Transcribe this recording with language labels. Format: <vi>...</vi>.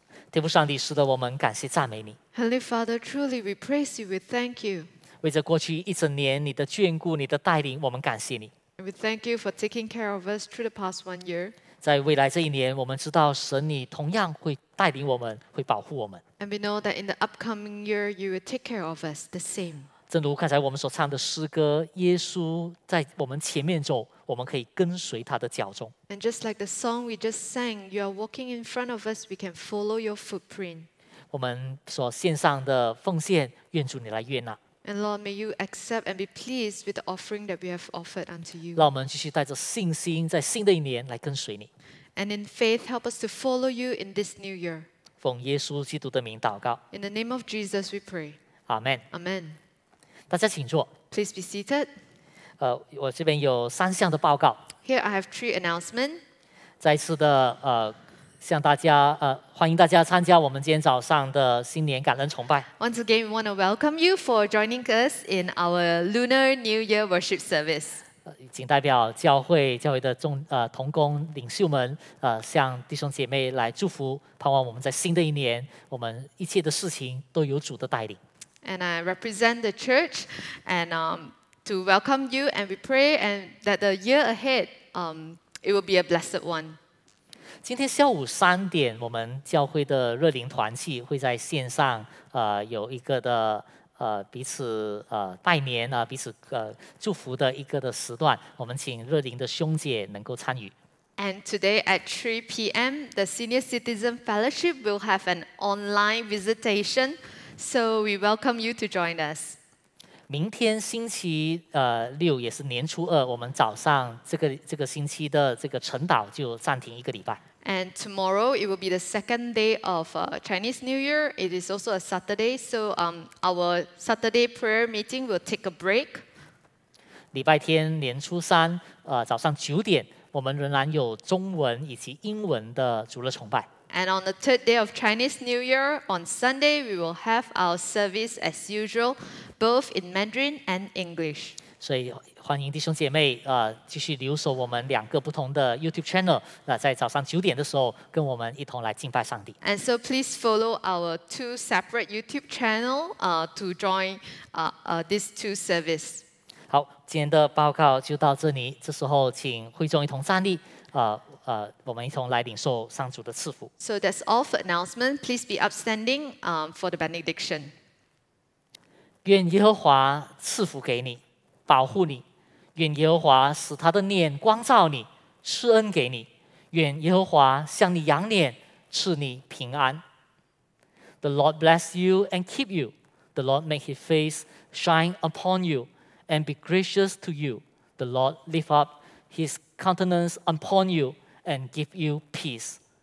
<zh>天父上帝，是的，我们感谢赞美你。</zh> <en>Heavenly Father, truly we praise you, we thank you.</en> <zh>为着过去一整年你的眷顾，你的带领，我们感谢你。</zh> <en>We thank you for taking care of us through the past one year.</en> <zh>在未来这一年，我们知道神你同样会带领我们，会保护我们。</zh> <en>And we know that in the upcoming year, you will take care of us the same.</en> <zh>正如刚才我们所唱的诗歌，耶稣在我们前面走，我们可以跟随他的脚踪。</zh> <en>And just like the song we just sang, you are walking in front of us, we can follow your footprint.</en> <zh>我们所献上的奉献，愿主你来悦纳。</zh> <en>And Lord, may you accept and be pleased with the offering that we have offered unto you.</en> <zh>让我们继续带着信心，在新的一年来跟随你。</zh> <en>And in faith, help us to follow you in this new year.</en> <zh>奉耶稣基督的名祷告。</zh> <en>In the name of Jesus, we pray. Amen. Amen.</en> <zh>大家请坐。</zh> <en>Please be seated.</en> <zh>我这边有三项的报告。</zh> <en>Here I have three announcements.</en> <zh>再次的向大家欢迎大家参加我们今天早上的新年感恩崇拜。</zh> <en>Once again, we want to welcome you for joining us in our Lunar New Year Worship Service.</en> <zh>请代表教会的同工领袖们向弟兄姐妹来祝福，盼望我们在新的一年我们一切的事情都有主的带领。</zh> <en>And I represent the church and to welcome you, and we pray and that the year ahead it will be a blessed one.</en> <zh>今天下午三点我们教会的热灵团契会在线上有一个的彼此拜年彼此祝福的一个的时段，我们请热灵的兄姐能够参与。</zh> <en>And today at 3 p.m., the Senior Citizen Fellowship will have an online visitation, so we welcome you to join us.</en> <zh>明天星期六也是年初二，我们早上这个星期的这个晨祷就暂停一个礼拜。</zh> <en>And tomorrow, it will be the second day of Chinese New Year. It is also a Saturday, so our Saturday prayer meeting will take a break.</en> <zh>礼拜天年初三早上九点，我们仍然有中文以及英文的主日崇拜。</zh> <en>And on the third day of Chinese New Year, on Sunday, we will have our service as usual, both in Mandarin and English.</en> <zh>所以欢迎弟兄姐妹继续留守我们两个不同的 YouTube channel， 在早上九点的时候跟我们一同来敬拜上帝。</zh> <en>And so please follow our two separate YouTube channel to join these two service.</en> <zh>好，今天的报告就到这里。这时候请会众一同站立，我们一同来领受上主的赐福。</zh> <en>So that's all for announcement. Please be upstanding for the benediction.</en> <zh>愿耶和华赐福给你。保护你，愿耶和华使他的脸光照你，赐恩给你，愿耶和华向你仰脸，赐你平安。</zh> <en>The Lord bless you and keep you. The Lord make his face shine upon you and be gracious to you. The Lord lift up his countenance upon you and give you peace.</en>